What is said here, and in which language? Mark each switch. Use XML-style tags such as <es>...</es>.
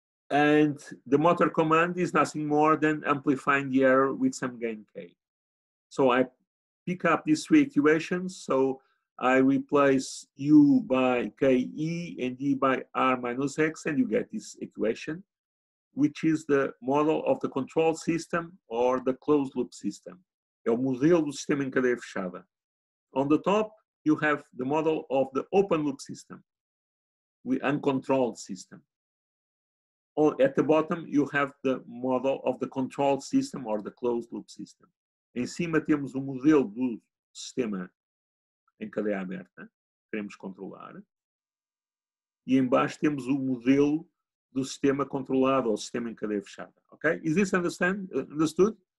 <en>And the motor command is nothing more than amplifying the error with some gain k. So I pick up these three equations. So I replace u by ke and d by r minus x, and you get this equation, which is the model of the control system or the closed loop system.</en> <pt>É o modelo do sistema em cadeia fechada.</pt> <en>On the top, you have the model of the open loop system, the uncontrolled system. Or at the bottom, you have the model of the controlled system or the closed loop system.</en> <pt>Em cima temos o modelo do sistema em cadeia aberta, que queremos controlar. E embaixo temos o modelo do sistema controlado ou sistema em cadeia fechada.</pt> <en>Okay? Is this understood?</en>